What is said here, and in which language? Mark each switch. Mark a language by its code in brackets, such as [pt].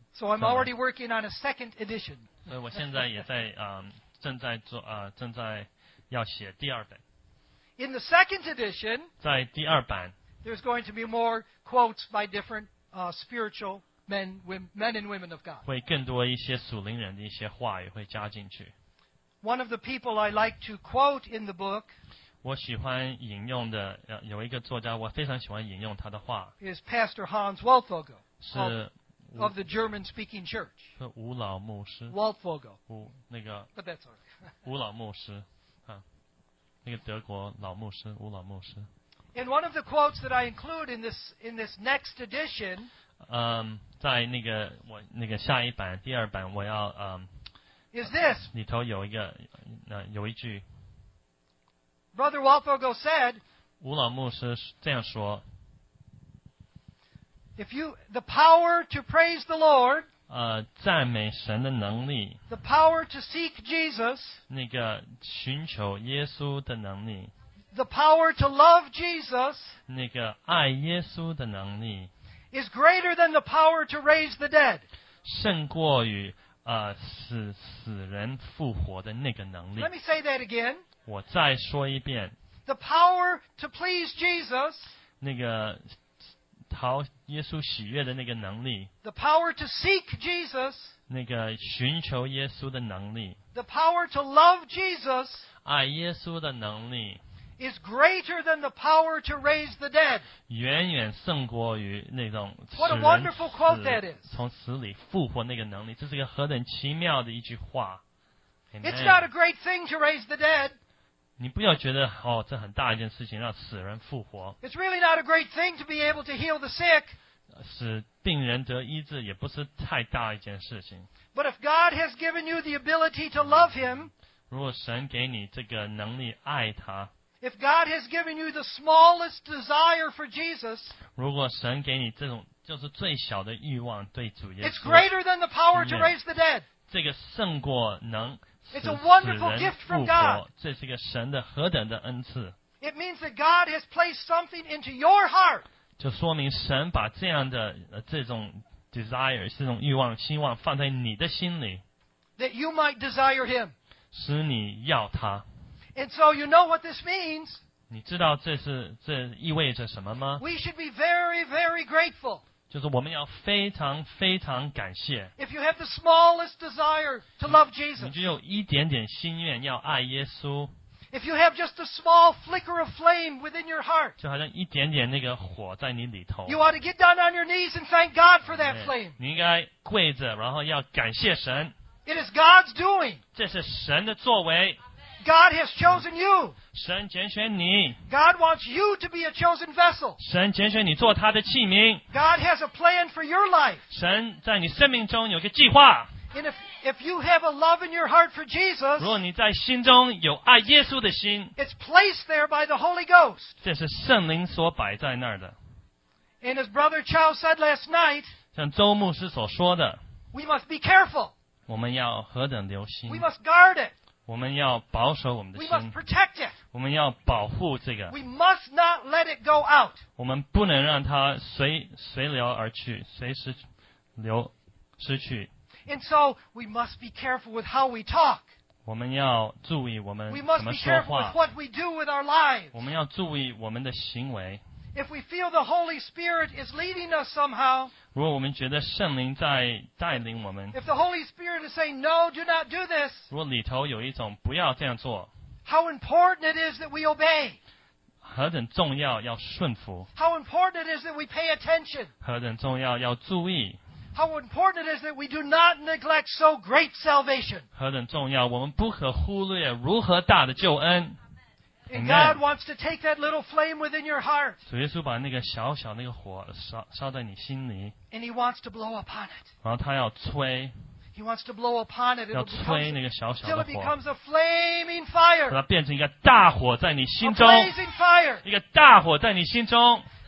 [en] So I'm already working on a second edition. [zh] 所以我现在也在正在要写第二本。 [en] In the second edition. [zh] 在第二版。 [en] There's going to be more quotes by different spiritual men and women of God. [zh] 会更多一些属灵人的一些话也会加进去。 [en] One of the people I like to quote in the book. [zh] 我喜欢引用的有一个作家，我非常喜欢引用他的话。 [en] Is Pastor Hans Waldvogel. [zh] 是。 [en] Of the German speaking church. [zh] 是吴老牧师。 [en] Waldvogel. [zh] 吴那个。 [en] But that's all right. [zh] 吴老牧师。那个德国老牧师，吴老牧师。 [en] And one of the quotes that I include in this next edition. [zh] 在那个我那个下一版第二版我要 [en] Is this? [zh] 里头有一个有一句。 [en] Brother Waldvogel said. [zh] 吴老牧师这样说。 [en] If you the power to praise the Lord. [zh] 赞美神的能力。 [en] The power to seek Jesus. [zh] 那个寻求耶稣的能力。 [en] The power to love Jesus [zh] 那个爱耶稣的能力 [en] is greater than the power to raise the dead. [zh] 胜过于死人复活的那个能力。 [en] Let me say that again. [zh] 我再说一遍。 [en] The power to please Jesus [zh] 那个讨耶稣喜悦的那个能力。 [en] The power to seek Jesus [zh] 那个寻求耶稣的能力。 [en] The power to love Jesus [zh] 爱耶稣的能力。 [en] Is greater than the power to raise the dead. [zh] 远远胜过于那种死人 [en] What a wonderful quote that is. [zh] 从死里复活那个能力，这是个何等奇妙的一句话。 [en] Amen. It's not a great thing to raise the dead. [zh] 你不要觉得哦，这很大一件事情，让死人复活。 [en] It's really not a great thing to be able to heal the sick. [zh] 使病人得医治也不是太大一件事情。 [en] But if God has given you the ability to love Him, [zh] 如果神给你这个能力爱他。 [en] If God has given you the smallest desire for Jesus, [zh] 如果神给你这种就是最小的欲望对主耶稣 [en] It's greater than the power to raise the dead. [zh] 这个胜过能 [en] It's a wonderful gift from God. [zh] 这是个神的何等的恩赐 [en] It means that God has placed something into your heart. [zh] 就说明神把这样的这种 desire, 这种欲望希望放在你的心里 [en] That you might desire Him. [zh] 使你要他 [en] And so you know what this means. [zh] 你知道这是这意味着什么吗 [en] We should be very, very grateful. [zh] 就是我们要非常非常感谢 [en] If you have the smallest desire to love Jesus. [zh] 你只有一点点心愿要爱耶稣 [en] If you have just a small flicker of flame within your heart. [zh] 就好像一点点那个火在你里头 [en] You ought to get down on your knees and thank God for that flame. [zh] 你应该跪着然后要感谢神 [en] It is God's doing. [zh] 这是神的作为 [en] God has chosen you. [zh] 神拣选你。 [en] God wants you to be a chosen vessel. [zh] 神拣选你做他的器皿。 [en] God has a plan for your life. [zh] 神在你生命中有个计划。 [en] And if you have a love in your heart for Jesus, [zh] 如果你在心中有爱耶稣的心。 [en] It's placed there by the Holy Ghost. [zh] 这是圣灵所摆在那儿的。 [en] And as Brother Chow said last night, [zh] 像周牧师所说的。 [en] We must be careful. [zh] 我们要何等留心。 [en] We must guard it. [zh] 我们要保守我们的心 [en] We must protect it. [zh] 我们要保护这个 [en] We must not let it go out. [zh] 我们不能让它 随流而去随时流失去 [en] And so we must be careful with how we talk. [zh] 我们要注意我们怎么说话 [en] We must be careful with what we do with our lives. [zh] 我们要注意我们的行为 [en] If we feel the Holy Spirit is leading us somehow, [zh] 如果我们觉得圣灵在带领我们 [en] If the Holy Spirit is saying, no, do not do this, [zh] 如果里头有一种不要这样做 [en] How important it is that we obey, [zh] 何等重要要顺服 [en] How important it is that we pay attention, [zh] 何等重要要注意 [en] How important it is that we do not neglect so great salvation, [zh] 何等重要我们不可忽略如何大的救恩 [en] And God wants to take that little flame within your heart. [zh] 主耶稣把那个小小那个火烧在你心里。 [en] And He wants to blow upon it. [zh] 然后他要吹。 [en] He wants to blow upon it. [zh] 要吹那个小小的火。 [en] Till it becomes a flaming fire. [zh] 让它变成一个大火在你心中。 [en] A blazing fire. [zh] 一个大火在你心中。